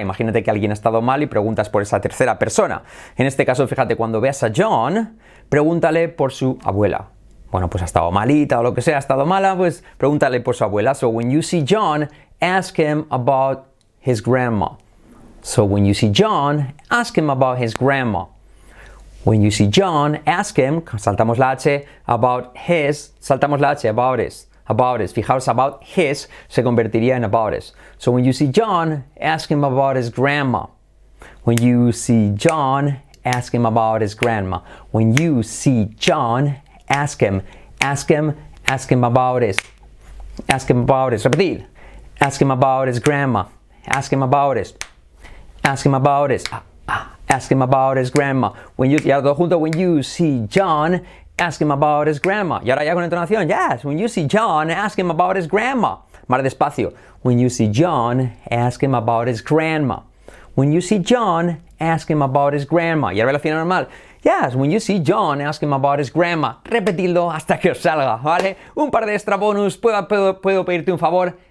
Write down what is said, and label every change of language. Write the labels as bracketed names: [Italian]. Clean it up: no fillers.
[Spanish] Imagínate que alguien ha estado mal y preguntas por esa tercera persona. En este caso, fíjate, cuando veas a John, pregúntale por su abuela. Bueno, pues ha estado malita o lo que sea, ha estado mala, pues pregúntale por su abuela. [English] So, when you see John, ask him about his grandma. So when you see John, ask him about his grandma. When you see John, ask him, [Spanish] saltamos la H, [English] about his, saltamos la H, about his, about his. [Spanish] Fijaos, [English] about his [Spanish] se convertiría en about his. [English] So when you see John, ask him about his grandma. When you see John, ask him about his grandma. When you see John, ask him, ask him, ask him about his, ask him about his, [Spanish] repetir, [English] ask him about his grandma, ask him about his. Ask him about his, ask him about his grandma. When you, [Spanish] ya todo junto, [English] when you see John, ask him about his grandma. [Spanish] Y ahora ya con entonación, [English] yes, when you see John, ask him about his grandma. [Spanish] Más despacio, [English] when you see John, ask him about his grandma. When you see John, ask him about his grandma. [Spanish] Y ahora la final normal, [English] yes, when you see John, ask him about his grandma. [Spanish] Repetidlo hasta que os salga, ¿vale? Un par de extra bonus, ¿puedo pedirte un favor?